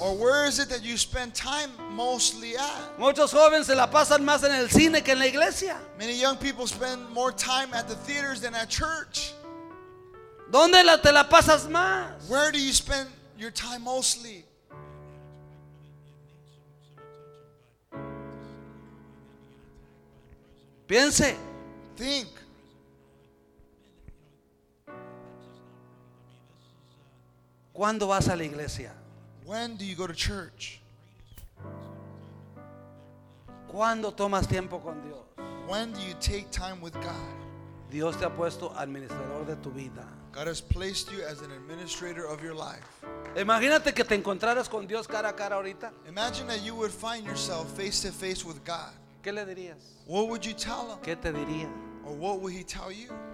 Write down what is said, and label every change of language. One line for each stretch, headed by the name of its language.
English: Or where is it that you spend time mostly at?
Spanish: Muchos jóvenes se la pasan más en el cine que en la iglesia.
English: Many young people spend more time at the theaters than at church.
Spanish: ¿Dónde te la pasas más?
English: Where do you spend your time mostly?
Spanish: Piense.
English: Think.
Spanish: ¿Cuándo vas a la iglesia?
English: When do you go to church?
Spanish: ¿Cuándo tomas tiempo con Dios?
English: When do you take time with God?
Spanish: Dios te ha puesto administrador de tu vida.
English: God has placed you as an administrator of your life.
Spanish: Imagínate que te encontraras con Dios cara a cara ahorita.
English: Imagine that you would find yourself face to face with God.
Spanish: ¿Qué le dirías?
English: What would you tell him?
Spanish: ¿Qué te diría?
English: Or what would he tell you?